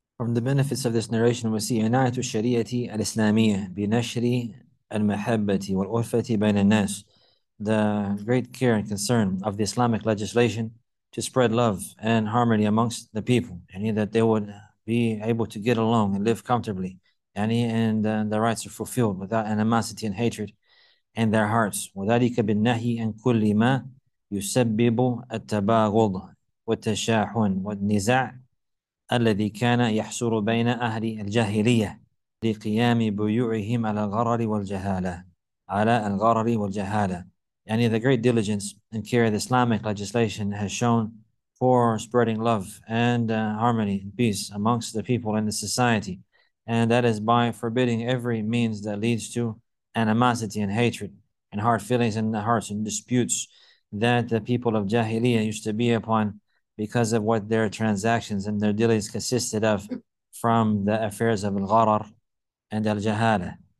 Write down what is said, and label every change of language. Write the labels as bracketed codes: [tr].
[en] From the benefits of this narration, we see [ar] عناية الشريعة الإسلامية بنشر المحبة والألفة بين الناس. [en] The great care and concern of the Islamic legislation to spread love and harmony amongst the people, and that they would be able to get along and live comfortably, and their rights are fulfilled without animosity and hatred in their hearts. [ar] وذلك بالنهي عن كل ما يسبب التباغض والتشاحن والنزاع الذي كان يحصل بين أهل الجاهلية لقيام بيوعهم على الغرر والجهالة على الغرر والجهالة. [en] يعني the great diligence and care of the Islamic legislation has shown for spreading love and harmony and peace amongst the people and the society, and that is by forbidding every means that leads to animosity and hatred and hard feelings in the hearts and disputes that the people of Jahiliyyah used to be upon because of what their transactions and their dealings consisted of from the affairs of al-gharar and al-jahala.